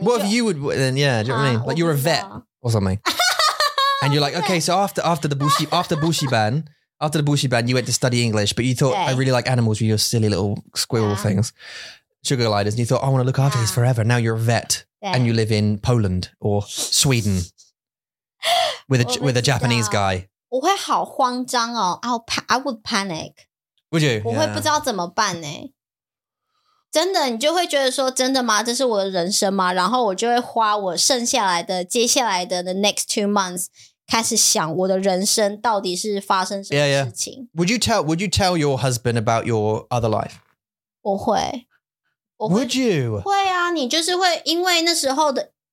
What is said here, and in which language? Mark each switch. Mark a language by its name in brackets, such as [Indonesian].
[English] What if you would, then, yeah, do you know what I mean? Like you're a vet or something. And you're like, okay, so after the bushi ban, you went to study English, but you thought, I really like animals with your silly little squirrel things, sugar gliders, and you thought, I want to look after these forever. Now you're a vet and you live in Poland or Sweden with a Japanese guy. [Chinese] 我会好慌张哦, [English] I would panic. Would you? [Chinese] 我会不知道怎么办耶。真的,你就会觉得说,真的吗? 这是我的人生吗?然后我就会花我剩下来的,接下来的 [English] the next 2 months, [Chinese] 开始想我的人生到底是发生什么事情。 [English] Yeah, yeah. Would you tell your husband about your other life? [Chinese] 我会。 [English] Would you? [Chinese] 会啊,你就是会,因为那时候的...